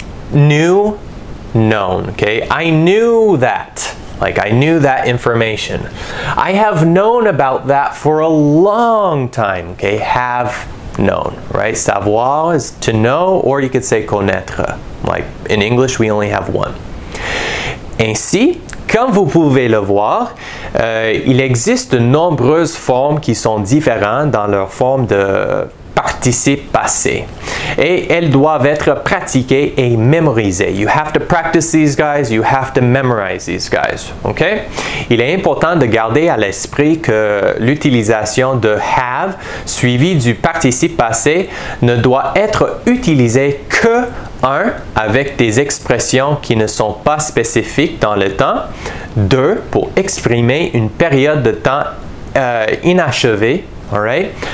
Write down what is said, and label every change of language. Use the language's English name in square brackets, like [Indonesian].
[English] Knew, known. Okay? I knew that. Like, I knew that information. I have known about that for a long time. Okay? Have known, right? Savoir is to know, or you could say connaître. Like, in English, we only have one. [French] Ainsi, comme vous pouvez le voir, il existe de nombreuses formes qui sont différentes dans leur forme de participe passé. Et elles doivent être pratiquées et mémorisées. [English] You have to practice these guys, you have to memorize these guys. OK? [French] Il est important de garder à l'esprit que l'utilisation de have suivi du participe passé ne doit être utilisée que un, avec des expressions qui ne sont pas spécifiques dans le temps. Deux, pour exprimer une période de temps inachevée. [English] All right.